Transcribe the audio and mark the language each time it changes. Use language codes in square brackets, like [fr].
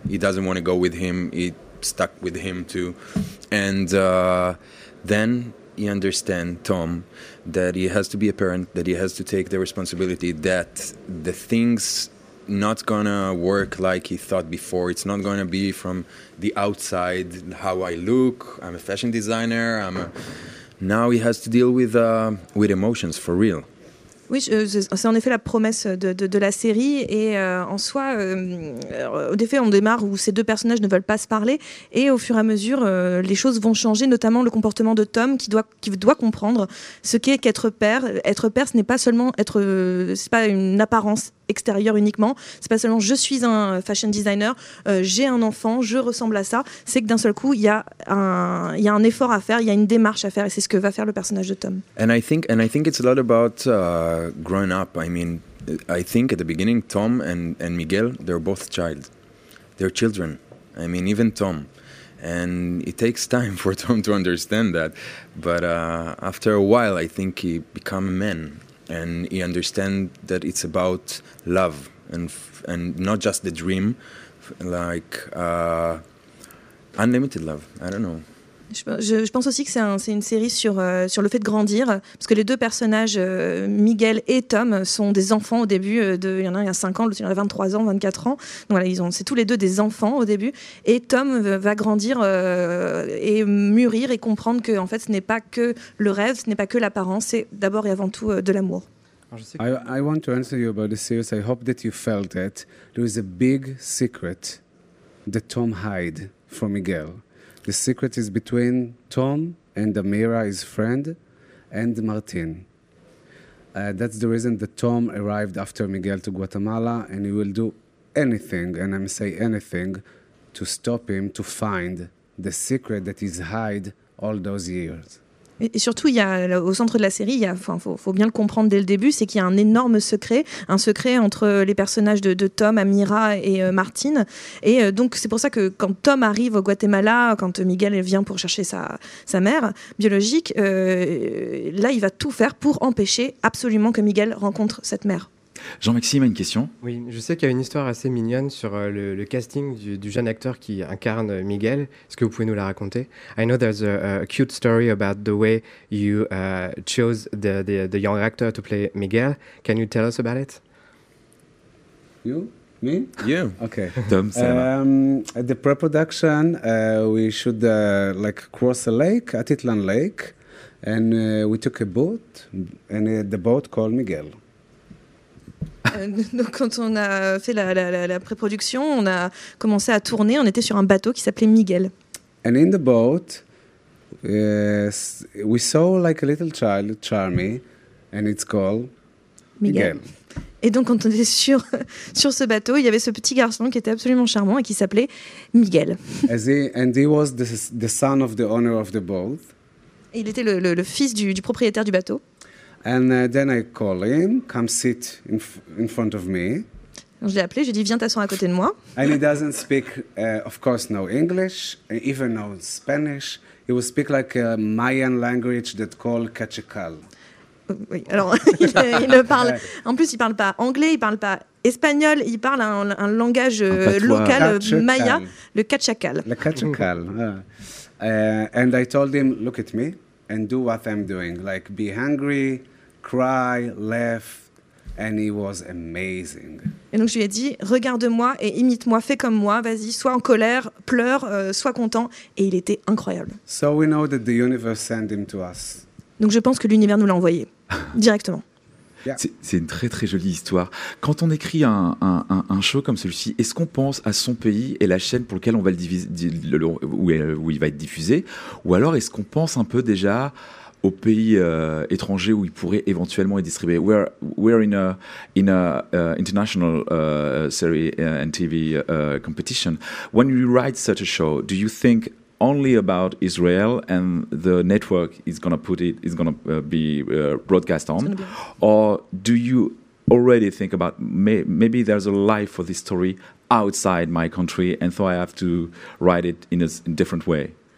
[en] He doesn't want to go with him. He stuck with him too. And then he understands, Tom, that he has to be a parent, that he has to take the responsibility, that the things not gonna work like he thought before. It's not gonna be from the outside, how I look, I'm a fashion designer, now he has to deal with emotions for real. [fr] Oui, c'est en effet la promesse de la série, et en soi, au défait, on démarre où ces deux personnages ne veulent pas se parler, et au fur et à mesure, les choses vont changer, notamment le comportement de Tom, qui doit comprendre ce qu'est qu'être père. Être père, ce n'est pas seulement c'est pas une apparence extérieure uniquement, c'est pas seulement je suis un fashion designer, j'ai un enfant, je ressemble à ça, c'est que d'un seul coup, il y a un effort à faire, il y a une démarche à faire, et c'est ce que va faire le personnage de Tom. [en] And I think it's a lot about growing up. I mean, I think at the beginning, Tom and Miguel, they're both child. They're children. I mean, even Tom. And it takes time for Tom to understand that. But after a while, I think he become a man. And he understand that it's about love and not just the dream, like unlimited love. I don't know. [fr] Je pense aussi que c'est une série sur le fait de grandir, parce que les deux personnages, Miguel et Tom, sont des enfants au début. Il y en a un qui a 5 ans, l'autre il y en a 23 ans, 24 ans. Donc voilà, c'est tous les deux des enfants au début. Et Tom va grandir et mûrir et comprendre que en fait, ce n'est pas que le rêve, ce n'est pas que l'apparence, c'est d'abord et avant tout de l'amour. [en] I want to answer you about the series. I hope that you felt it. There is a big secret that Tom hide from Miguel. The secret is between Tom and Amira, his friend, and Martin. That's the reason that Tom arrived after Miguel to Guatemala, and he will do anything, and I'm saying anything, to stop him to find the secret that he's hide all those years. [fr] Et surtout, au centre de la série, il faut bien le comprendre dès le début, c'est qu'il y a un énorme secret, entre les personnages de Tom, Amira et Martine. Et donc, c'est pour ça que quand Tom arrive au Guatemala, quand Miguel vient pour chercher sa mère biologique, là, il va tout faire pour empêcher absolument que Miguel rencontre cette mère. Jean-Maxime a une question. Oui, je sais qu'il y a une histoire assez mignonne sur le casting du jeune acteur qui incarne Miguel. Est-ce que vous pouvez nous la raconter? [en] I know there's a cute story about the way you chose the young actor to play Miguel. Can you tell us about it? You? Me? You. Okay. Tom, at the pre-production, we should cross a lake, Atitlan Lake, and we took a boat, and the boat called Miguel. [fr] Donc quand on a fait la pré-production, on a commencé à tourner, on était sur un bateau qui s'appelait Miguel. [en] And in the boat, we saw like a little child, Charmy, and it's called Miguel. [fr] Et donc, quand on était sur ce bateau, il y avait ce petit garçon qui était absolument charmant et qui s'appelait Miguel. [en] And he was the son of the owner of the boat. [fr] Il était le fils du propriétaire du bateau. [en] And then I call him, come sit in front of me. [fr] Je l'ai appelé, je lui ai dit, viens t'asseoir à côté de moi. [en] And he doesn't speak, of course, no English, even no Spanish. He will speak like a Mayan language that called Cachecal. [fr] Oui, alors, il ne parle... En plus, il ne parle pas anglais, il ne parle pas espagnol, il parle un langage local, maya, le Cachecal. Le Cachecal. [en] And I told him, look at me and do what I'm doing. Like, be angry, cry, laugh. And he was amazing. [fr] Et donc je lui ai dit, regarde-moi et imite-moi, fais comme moi, vas-y, sois en colère, pleure, sois content. Et il était incroyable. [en] So we know that the universe sent him to us. [fr] Donc je pense que l'univers nous l'a envoyé, directement. Yeah. C'est une très très jolie histoire. Quand on écrit un show comme celui-ci, est-ce qu'on pense à son pays et la chaîne pour laquelle on va où il va être diffusé? Ou alors est-ce qu'on pense un peu déjà au pays étranger où il pourrait éventuellement être distribué? [en] We're in a international series and TV competition. When you write such a show, do you think only about Israel and the network is gonna be broadcast on, or do you already think about maybe there's a life for this story outside my country, and so I have to write it in a different way?